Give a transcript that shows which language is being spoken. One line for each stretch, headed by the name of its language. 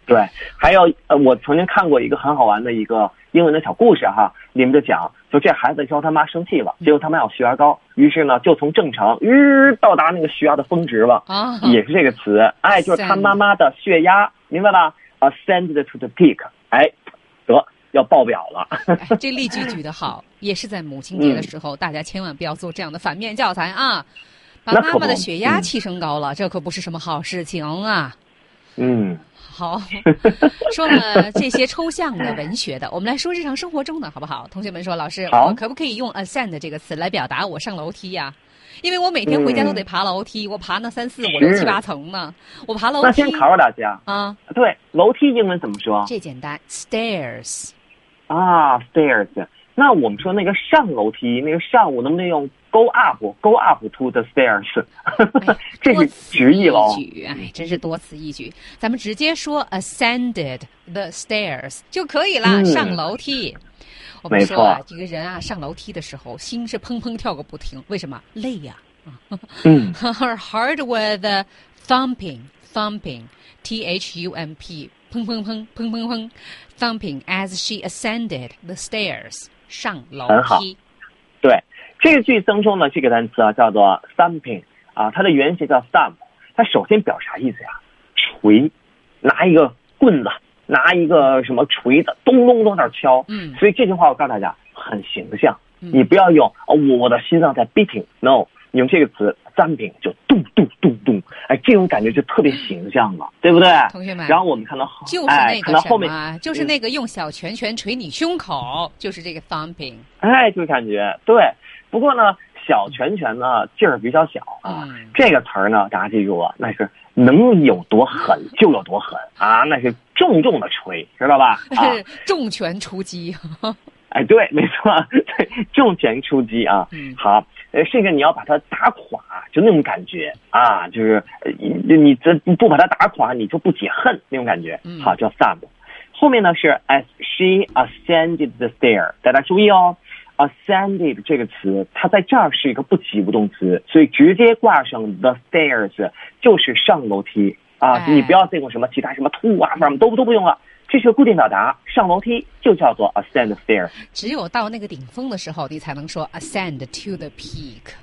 Chinese: 对，还有我曾经看过一个很好玩的一个英文的小故事哈，里面就讲说这孩子教他妈生气了，结果他妈要血压高，于是呢就从正常到达那个血压的峰值了、也是这个词，哎，就是他妈妈的血压，明白吧？
English: ascend to the peak，
Chinese: 哎，得要爆表了、哎、这例句举得好，也是在母亲节的时候、大家千万不要做这样的反面教材啊，把妈妈的血压气升高了、这可不是什么好事情啊。好，说了这些抽象的文学的，我们来说日常生活中的好不好？同学们说，老师，我可不可以用 ascend 这个词来表达我上楼梯呀、因为我每天回家都得爬楼梯、我爬那三四五六七八层呢，我爬楼梯。那先考考大家啊，对，楼梯英文怎么说？这简单 ，stairs。
English: 啊 ，stairs。
Chinese: 那我们说那个上楼梯，那个上，我能不能用
English: go up， go up to the stairs？
Chinese: 这是直译喽。哎，真是多此一举。咱们直接说
English: ascended the stairs
Chinese: 就可以了，上楼梯。我们说啊，这个人啊上楼梯的时候心是砰砰跳个不停，为什么？累呀、
English: her heart with thumping T-H-U-M-P
Chinese: 砰砰砰
English: thumping as she ascended the stairs
Chinese: 上楼梯。很好，对，这个句当中呢这个单词啊叫做 thumping 啊，它的原型叫 thump， 它首先表啥意思呀？锤，拿一个棍子，拿一个什么锤子，咚咚咚那敲。嗯，所以这句话我告诉大家很形象。嗯，你不要用我的心脏在 beating， no， 你用这个词赞饼就咚咚咚咚，哎，这种感觉就特别形象了，对不对？同学们，然后我们看到后，就是那个什么，哎，看到后面就是那个用小拳拳捶你胸口，就是这个 thumping。哎，就感觉对。不过呢，小拳拳呢劲儿比较小啊，嗯，这个词儿呢，大家记住啊，那是能有多狠就有多狠啊，那是重重的锤，知道吧？啊，重拳出击。哎，对，没错，对，重拳出击啊。嗯，好，甚至你要把它打垮，就那种感觉啊，就是你这不把它打垮，你就不解恨那种感觉。嗯，好，叫 thump。后面呢是
English: as she ascended the stair，
Chinese: 大家注意哦。 Ascended 这个词，它在这儿是一个不及物动词，所以直接挂上
English: the stairs
Chinese: 就是上楼梯啊，哎，你不要再用什么其他什么 to 啊什么都不用了，这是个固定表达，上楼梯就叫做
English: ascend the stairs。
Chinese: 只有到那个顶峰的时候，你才能说
English: ascend to the peak。